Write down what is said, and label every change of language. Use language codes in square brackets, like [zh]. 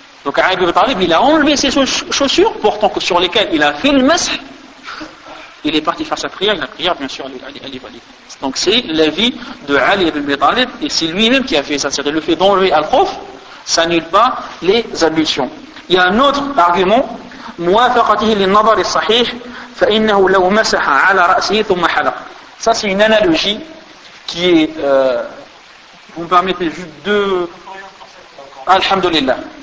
[fr] Donc, Ali ibn Talib, il a enlevé ses chaussures, pourtant que sur lesquelles il a fait le masque, il est parti faire sa prière, et la prière, bien sûr, elle est valide. Donc, c'est l'avis de Ali ibn Talib, et c'est lui-même qui a fait ça. C'est-à-dire, le fait d'enlever Al-Khouf, ça annule pas les ablutions. Il y a un autre argument. [ar] مُوَافَقَتِهِ لِلنَّظَرِ الصَّحِيحِ فَإِنَّهُ لَوْ مَسَحَ عَلَى رَأْسِهِ ثُمَّ حَلَقَ [fr] ça, c'est une analogie. Qui est, vous me permettez juste deux. Alhamdulillah.